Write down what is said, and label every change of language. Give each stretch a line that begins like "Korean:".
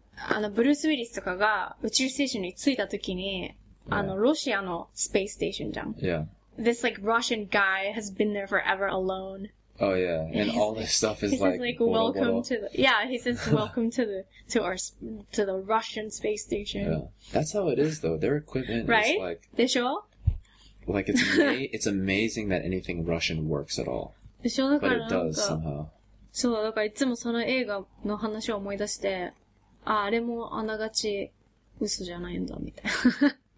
Japanese: あのブルース・ウィリスとかが宇宙ステーションに着いた時に、yeah. あのロシアのスペースステーションじゃん。
English: Yeah. This like Russian guy has been there forever alone. Oh yeah, and all this stuff is like, says, like welcome to the Russian space station. Yeah, that's how it is though. Their equipment right? is like,
Japanese: でしょ?
English: Like it's amazing that anything Russian works at all.
Japanese: でしょ?
English: But it does somehow.
Japanese: そう、だからいつもその映画の話を思い出して、あれもあながち嘘じゃないんだみたいな。